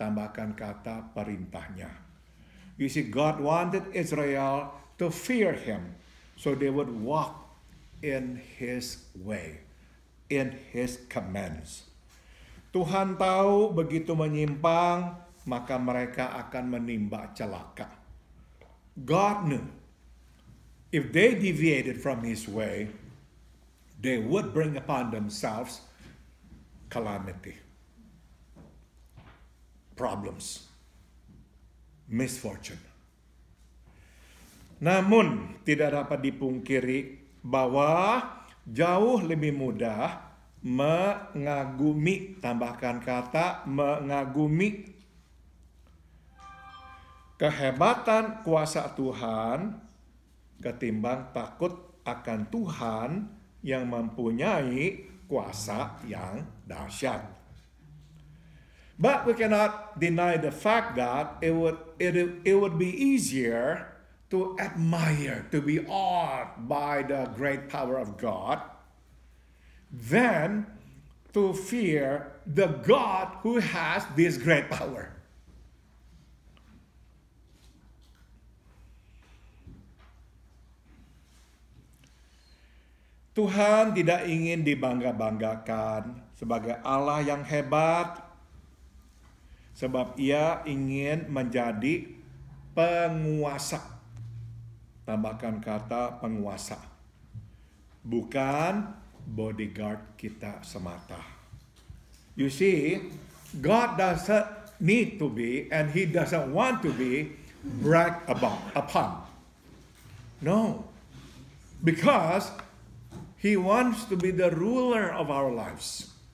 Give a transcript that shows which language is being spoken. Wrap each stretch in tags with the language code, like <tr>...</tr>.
<id>Tambahkan kata perintah-Nya.</id> <en>You see, God wanted Israel to fear Him so they would walk in His way, in His commands.</en> <id>Tuhan tahu begitu menyimpang, maka mereka akan menimba celaka.</id> <en>God knew. If they deviated from His way, they would bring upon themselves calamity, problems, misfortune.</en> <id>Namun, tidak dapat dipungkiri bahwa jauh lebih mudah mengagumi, tambahkan kata mengagumi, kehebatan kuasa Tuhan ketimbang takut akan Tuhan yang mempunyai kuasa yang dahsyat.</id> <en>But we cannot deny the fact that it would be easier to admire, to be awed by the great power of God than to fear the God who has this great power.</en> <id>Tuhan tidak ingin dibangga-banggakan sebagai Allah yang hebat, sebab Ia ingin menjadi penguasa. Tambahkan kata penguasa. Bukan bodyguard kita semata.</id> <en>You see, God doesn't need to be and He doesn't want to be bragged upon. No. Because He wants to be the ruler of our lives.</en>